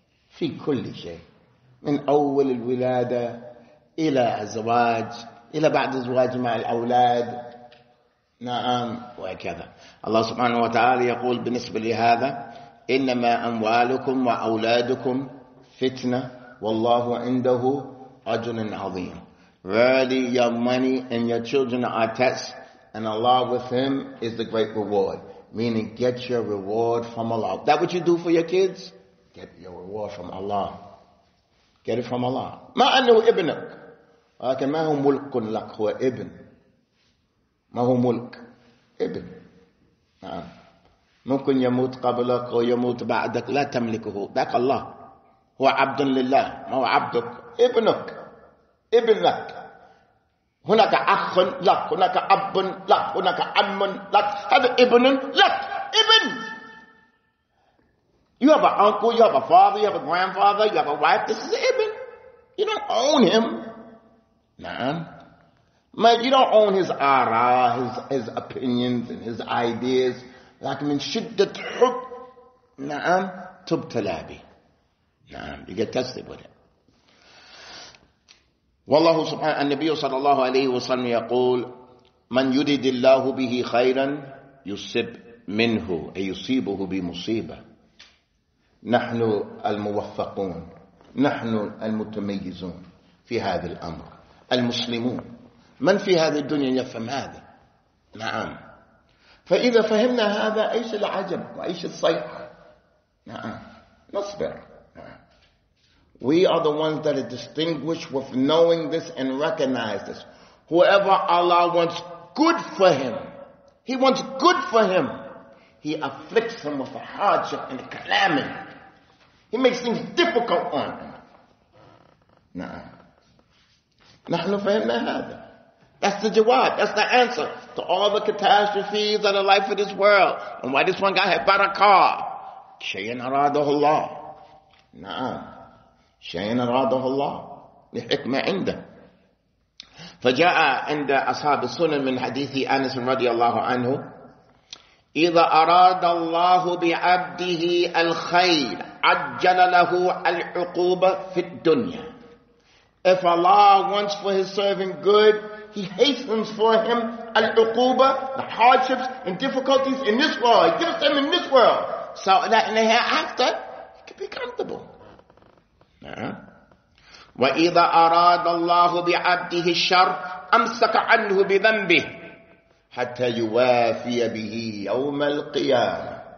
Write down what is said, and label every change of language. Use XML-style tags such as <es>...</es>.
<ar>في كل شيء، من أول الولادة إلى الزواج إلى بعد الزواج مع الأولاد. نعم، وكذا الله سبحانه وتعالى يقول بالنسبة لهذا: إنما أموالكم وأولادكم فتنة والله عنده أجر عظيم.</ar> <en>Really, your money and your children are tests, and Allah with him is the great reward. Meaning, get your reward from Allah. That what you do for your kids, get your reward from Allah. Get it from Allah.</en> <ar>ما أنه ابنك، ولكن ما هو ملك لك، هو ابن. ما هو ملك، ابن. نعم، ممكن يموت قبلك أو يموت بعدك، لا تملكه، ذاك الله. هو عبد لله، ما هو عبدك، ابنك، ابن لك. هناك أخ لك، هناك أب لك، هناك عم لك، هذا ابن لك، ابن.</ar> <en>You have an uncle, you have a father, you have a grandfather, you have a wife. This is Ibn. You don't own him. Nah. But you don't own his ara, his opinions and his ideas. Like</en> <ar>من شدة حب.</ar> <en>نعم. تبتلابي. نعم. You get tested with it.</en> <ar>والله سبحانه النبي صلى الله عليه وسلم يقول: من يريد الله به خيرا يصب منه أي يصيبه بمصيبة. نحن الموفقون، نحن المتميزون في هذا الأمر، المسلمون. من في هذه الدنيا يفهم هذا؟ نعم. فإذا فهمنا هذا، أيش العجب وأيش الصيحة؟ نعم، نصبر.</ar> <en>We are the ones that are distinguished with knowing this and recognize this. Whoever Allah wants good for him, he wants good for him. He afflicts him with a hardship and a calamity. He makes things difficult on him. نعم.</en> <ar>نحن فهمنا هذا.</ar> <en>That's the jawab. That's the answer to all the catastrophes of the life of this world. And why this one guy had bought a car.</en> <ar>شيئا أراده الله. نعم. شيئا أراده الله. لحكمة عنده. فجاء عند أصحاب السنن من حديث أنس رضي الله عنه: إذا أراد الله بعبده الخير عجل له العقوبة في الدنيا.</ar> <en>If Allah wants for his servant good, he hastens for him العقوبة, the hardships and difficulties in this world. He gives them in this world so that in the hereafter he can be comfortable.</en> <ar>وإذا أراد الله بعبده الشر أمسك عنه بذنبه حتى يوافي به يوم القيامة.</ar>